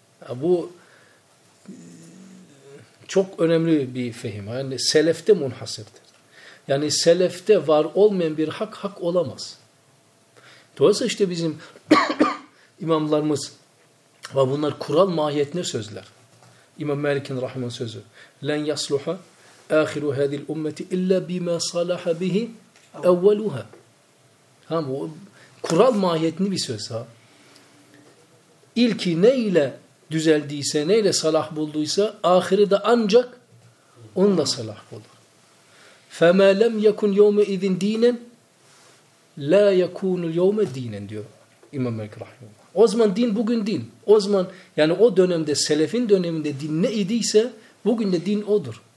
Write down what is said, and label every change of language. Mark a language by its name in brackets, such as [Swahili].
[Turkish] Bu çok önemli bir fehim. Yani selefte munhasırdır. Yani selefte var olmayan bir hak, hak olamaz. Dolayısıyla işte bizim imamlarımız ve bunlar kural mahiyetine sözler. İmam Malik'in rahimahullah sözü. [Arabic] لَنْ يَصْلُحَ آخِرُ هَذِي الْاُمَّةِ اِلَّا بِمَا صَلَحَ بِهِ اَوَّلُهَا [Turkish] Tamam, bu kural mahiyetini bir söz ha. İlki ne ile düzeldiyse, neyle salah bulduysa, ahiri de ancak onunla salah bulur. [Arabic] فَمَا لَمْ يَكُنْ يَوْمَ اِذِنْ د۪ينًا لَا يَكُونُ الْيَوْمَ دِينًا diyor İmam Malik Rahimullah. [Turkish] O zaman din bugün din. O zaman yani o dönemde selefin döneminde din ne idiyse bugün de din odur.